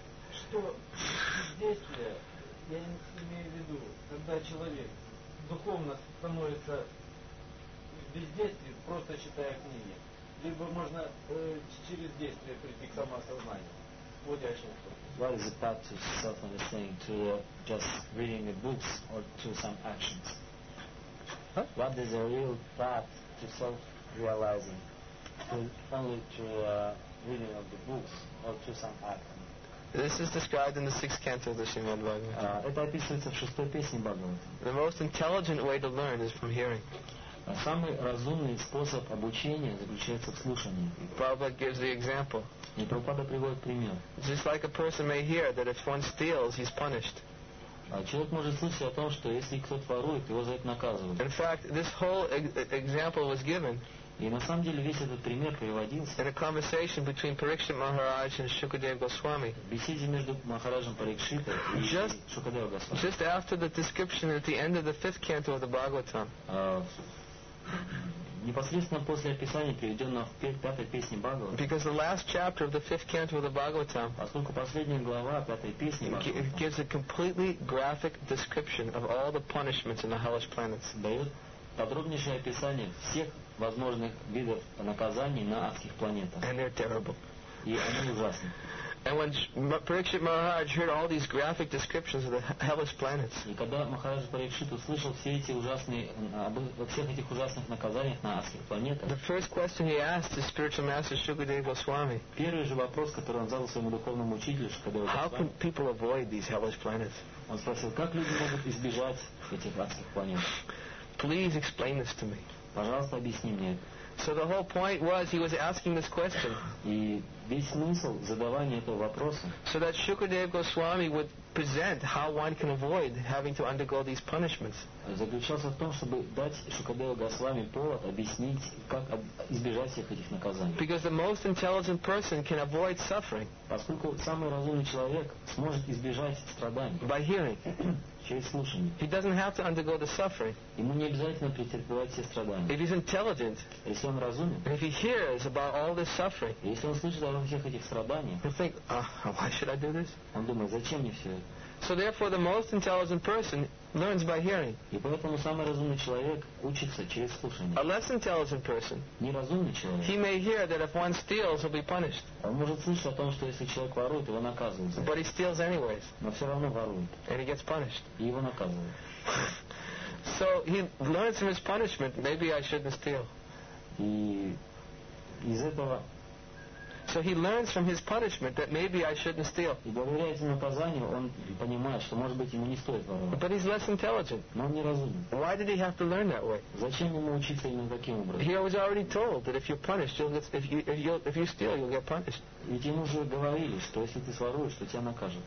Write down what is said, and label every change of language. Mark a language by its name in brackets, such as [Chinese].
[Russian] Что действие, я имею в виду, когда человек духовно становится бездействием, просто читая книги, либо можно через действие прийти к самосознанию. [English] What is the path to self-understanding, to just reading the books or to some actions? Huh? What is the real path to self-realizing, to only to reading of the books or to some action? This is described in the sixth canto of the Srimad Bhagavatam. [Russian] Это описывается в шестой песне Бхагавата. [English] The most intelligent way to learn is from hearing. [Russian] Самый разумный способ обучения заключается в слушании. [English] Prabhupada gives the example. [Russian] И Прабхупада приводит пример. [English] Just like a person may hear that if one steals, he's punished. [Russian] Человек может слышать о том, что если кто-то ворует, его за это наказывают. [English] In fact, this whole example was given. [Russian] И на самом деле весь этот пример приводился. [English] In a conversation between Parikshit Maharaj and Shukadeva Goswami. [Russian] В беседе между Махараджем Парикшита и Шукадева Госвами. [English] Just after the description at the end of the fifth canto of the Bhagavatam. [Russian] Непосредственно после описания, приведенного в пятой песне Бхагавата. [English] Because the last chapter of the fifth canto of the Bhagavatam. [Russian] Поскольку последняя глава пятой песни Бхагавата. [English] Gives a completely graphic description of all the punishments in the hellish planets. [Russian] Дает подробнейшее описание всех возможных видов наказаний на адских планетах. [English] And they're terrible. [Russian] И они ужасны. [English] And when Parikshit Maharaj heard all these graphic descriptions of the hellish planets, [Russian] и когда Махарадж Парикшит услышал все эти ужасные обо всех этих ужасных наказаниях на адских планетах, [English] the first question he asked his spiritual master Shukadeva Goswami. [Russian] Первый же вопрос, который он задал своему духовному учителю Шукадева Госвами. [English] How can people avoid these hellish planets? [Russian] Он спросил, как люди могут избежать этих адских планет? [English] Please explain this to me. [Russian] Пожалуйста, объясни мне это. [English] So the whole point was he was asking this question. [Russian] И весь смысл задавания этого вопроса. [English] So that Shukadeva Goswami would present how one can avoid having to undergo these punishments. [Russian] Заключался в том, чтобы дать Шукадева Госвами повод объяснить, как избежать всех этих наказаний. [English] Because the most intelligent person can avoid suffering. [Russian] Поскольку самый разумный человек сможет избежать страданий. [English] By hearing. [Russian] Через слушание. [English] He doesn't have to undergo the suffering. [Russian] Ему не обязательно претерпевать все страдания. [English] If he's intelligent. [Russian] Если он разумен. [English] If he hears about all this suffering. [Russian] Если он слышит о всех этих страданиях. [English] He'll think, why should I do this? [Russian] Он думает, зачем мне все это? [English] So therefore, the most intelligent person learns by hearing. [Russian] И поэтому самый разумный человек учится через слушание. [English] A less intelligent person. [Russian] Неразумный человек. [English] He may hear that if one steals, he'll be punished. [Russian] Он может слышать о том, что если человек ворует, его наказывают. [English] But he steals anyways. [Russian] Но все равно ворует. [English] And he gets punished. [Russian] И его наказывают. [English] So he learns from his punishment. Maybe I shouldn't steal. [Russian] И из этого. [English] So he learns from his punishment that maybe I shouldn't steal. [Russian] И благодаря этому наказанию он понимает, что может быть ему не стоит воровать. [English] But he's less intelligent. [Russian] Но он неразумен. [English] Why did he have to learn that way? [Russian] Зачем ему учиться именно таким образом? [English] He was already told that if you're punished, if you steal, you'll get punished. [Russian] Ведь ему уже говорили, что если ты своруешь, то тебя накажут.